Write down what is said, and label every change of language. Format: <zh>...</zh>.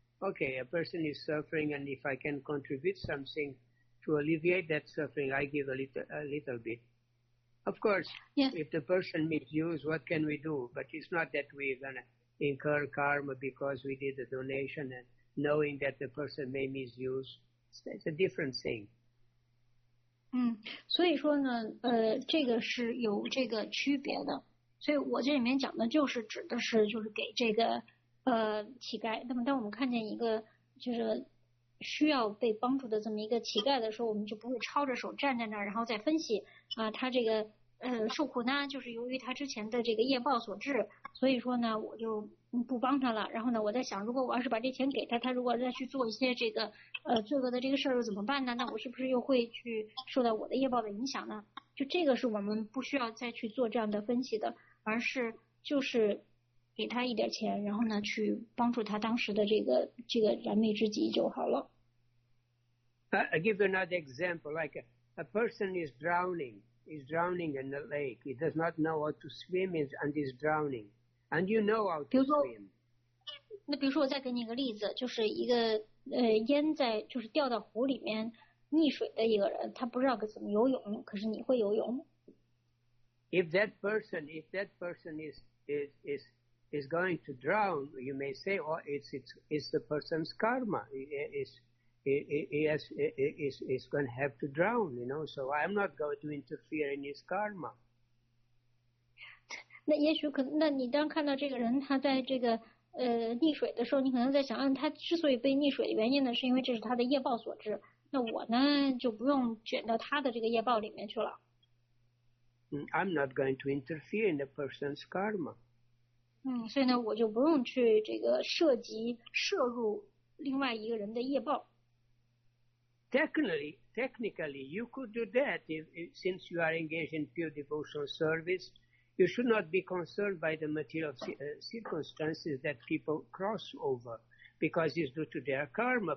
<en>Okay, a person is suffering, and if I can contribute something,To alleviate that suffering, I give a little bit. Of course,、 yes. if the person misuse, what can we do? But it's not that we're going to incur karma because we did the donation and knowing that the person may misuse. It's a different thing.</en> <zh>所以说呢这个是有这个区别的。所以我这里面讲的就是指的是就是给这个乞丐。那么当我们看见一个就是需要被帮助的这么一个乞丐的时候，我们就不会抄着手站在那儿，然后再分析啊，他这个受苦呢，就是由于他之前的这个业报所致，所以说呢，我就不帮他了。然后呢，我在想，如果我要是把这钱给他，他如果再去做一些这个罪恶的这个事儿，又怎么办呢？那我是不是又会去受到我的业报的影响呢？就这个是我们不需要再去做这样的分析的，而是就是给他一点钱，然后呢，去帮助他当时的这个燃眉之急就好了。</zh> <en>I give you another example, like a person is drowning in the lake. He does not know how to swim and is drowning. And you know how to swim.</en> <zh>那比如说我再给你一个例子，就是一个淹在就是掉到湖里面溺水的一个人，他不知道该怎么游泳，可是你会游泳。</zh> <en>If that person is going to drown, you may say, oh, it's the person's karma. He is going to have to drown, you know, so I'm not going to interfere in his karma.</en> <zh>那也许可能，那你当看到这个人他在这个溺水的时候，你可能在想，他之所以被溺水的原因呢，是因为这是他的业报所致，那我呢就不用卷到他的这个业报里面去了。</zh> <en>I'm not going to interfere in a person's karma.</en> <zh>所以呢我就不用去这个涉及涉入另外一个人的业报。</zh> <en>Technically, you could do that since you are engaged in pure devotional service. You should not be concerned by the material circumstances that people cross over because it's due to their karma.</en>